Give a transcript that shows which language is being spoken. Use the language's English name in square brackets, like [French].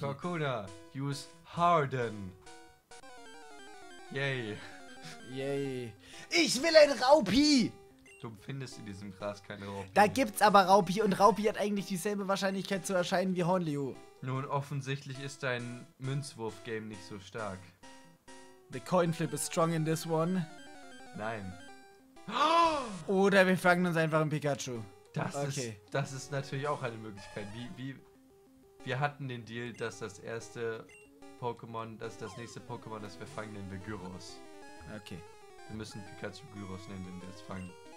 [English] Kokuna, use Harden. Yay. [German] Yay. Ich will ein Raupi! Du findest in diesem Gras keine Raupi. Da gibt's aber Raupi, und Raupi hat eigentlich dieselbe Wahrscheinlichkeit zu erscheinen wie Honolio. Nun, offensichtlich ist dein Münzwurf-Game nicht so stark. [English] The coin flip is strong in this one. [German] Nein. Oder wir fangen uns einfach im Pikachu. Das ist natürlich auch eine Möglichkeit. Wir hatten den Deal, dass das nächste Pokémon, das wir fangen, nennen wir Gyros. Okay. Wir müssen Pikachu Gyros nennen, wenn wir es fangen.